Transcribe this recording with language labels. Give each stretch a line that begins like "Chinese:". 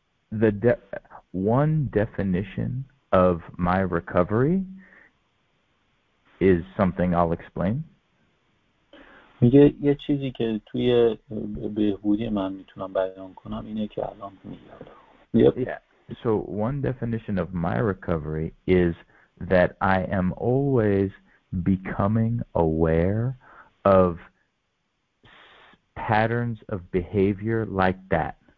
English: The one definition of my recovery is something I'll explain.
Persian: میگه یه چیزی که توی بهبودی من میتونم بیان کنم اینه که الان میگم.
English: So one definition of my recovery is that I am always becoming aware of patterns of behavior like that.